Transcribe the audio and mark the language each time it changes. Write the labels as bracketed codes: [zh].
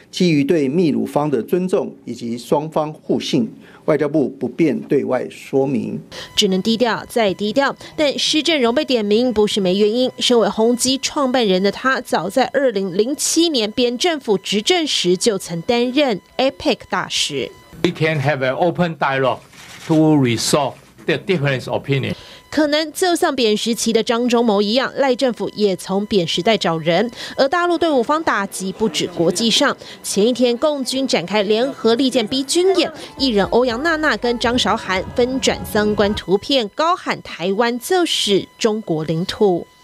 [zh] 基于对秘鲁方的尊重以及双方互信，外交部不便对外说明，只能低调再低调。但施正荣被点名不是没原因，身为宏基创办人的他，早在2007年边政府执政时就曾担任 APEC 大使。 [en] We can have an open dialogue to resolve the difference opinion。 [zh] 可能就像扁时期的张忠谋一样，赖政府也从扁时代找人。而大陆对我方打击不止国际上，前一天共军展开联合利剑逼军演，艺人欧阳娜娜跟张韶涵分转相关图片，高喊台湾就是中国领土。